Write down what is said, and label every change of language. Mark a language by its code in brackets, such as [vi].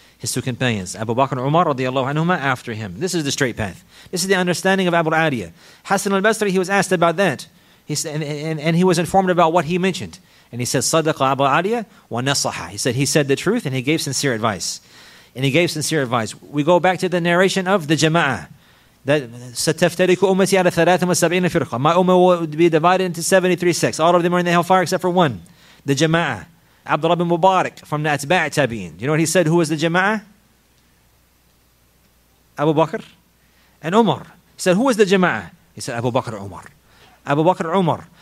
[en] His two companions, Abu Bakr and Umar, radiallahu anhumah, after him. This is the straight path. This is the understanding of Abu al-Adiyah. Hassan al-Basri, he was asked about that. He said, and he was informed about what he mentioned. And he said, Sadaqa Abu al-Adiyah wa nasaha. He said, he said the truth and he gave sincere advice. And he gave sincere advice. We go back to the narration of the jama'ah. That [ar] ستفترك أمتي على 73 فرقة. [en] My ummah would be divided into 73 sects. All of them are in the hellfire except for one. The jama'ah. Abdullah bin Mubarak from the Atba' Tabi'in. You know what he said? Who was the jama'ah? Abu Bakr and Umar. He said, who was the jama'ah? He said, Abu Bakr and Umar. Abu Bakr and Umar.